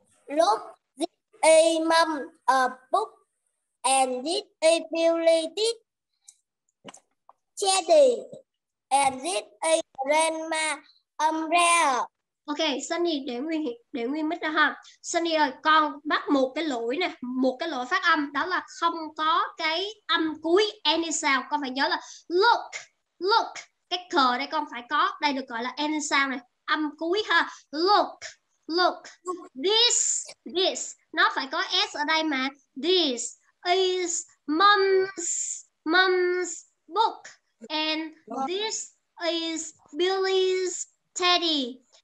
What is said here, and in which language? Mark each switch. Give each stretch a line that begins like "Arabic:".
English: Look, this is Mom a book, and this is Billy's teddy, and this is Grandma umbrella.
Vietnamese: Okay, Sunny, để nguyên mic đó ha. Sunny ơi, con mắc một cái lỗi nè, một cái lỗi phát âm, đó là không có cái âm cuối
English: any sound.
Vietnamese: Con phải nhớ là
English: look, look,
Vietnamese: cái cờ đây con phải có, đây được gọi là
English: any sound
Vietnamese: này, âm cuối ha.
English: Look, look, this, this,
Vietnamese: nó phải có S ở đây mà.
English: This is mom's book, and this is Billy's teddy.